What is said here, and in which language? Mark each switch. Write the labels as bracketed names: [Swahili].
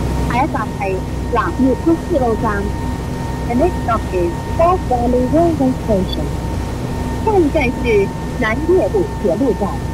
[Chinese] 下一站是南越都市路站。 [English] The next stop is Fort Valley Railway Station. [Chinese] 下一站是南越都铁路站。